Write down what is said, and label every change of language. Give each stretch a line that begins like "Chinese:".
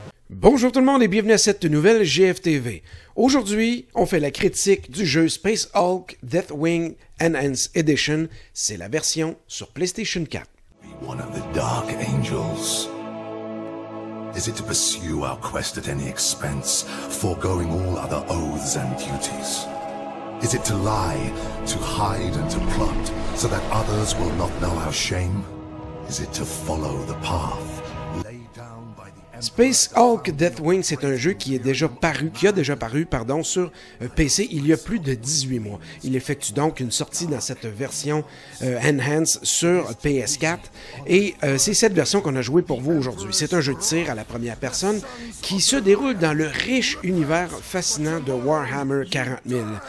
French: Bonjour tout le monde et bienvenue à cette nouvelle GFTV. Aujourd'hui, on fait la critique du jeu Space Hulk Deathwing Enhanced Edition. C'est la version sur PlayStation 4.
English: Be one of the Dark Angels. Is it to pursue our quest at any expense, foregoing all other oaths and duties? Is it to lie, to hide and to plot, so that others will not know our shame? Is it to follow the path?
French: Space Hulk Deathwing, c'est un jeu qui a déjà paru sur PC il y a plus de 18 mois. Il effectue donc une sortie dans cette version Enhanced sur PS4. Et c'est cette version qu'on a jouée pour vous aujourd'hui. C'est un jeu de tir à la première personne qui se déroule dans le riche univers fascinant de Warhammer 40 000.